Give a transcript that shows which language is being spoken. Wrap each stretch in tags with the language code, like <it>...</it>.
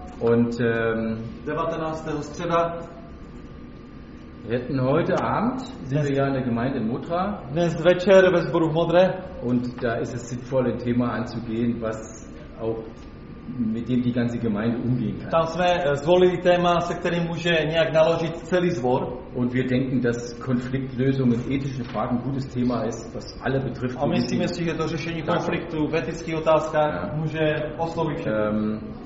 <de>Und</de> <cs>19. Středa.</cs> <de>Wir hätten heute Abend, sind wir ja in der Gemeinde in Modra.</de> <cs>Dnes večer ve sboru v Modre.</cs> <de>Und da ist es sinnvoll, ein Thema anzugehen, was auch mit dem die ganze Gemeinde umgehen kann.</de> <cs>Tam jsme zvolili téma, se kterým může nějak naložit celý zbor.</cs> <de>Und wir denken, dass Konfliktlösung mit ethischen Fragen gutes Thema ist, was alle betrifft.</de> <cs>A myslíme si, že to řešení konfliktu v etických otázkách může oslovit všechny.</cs>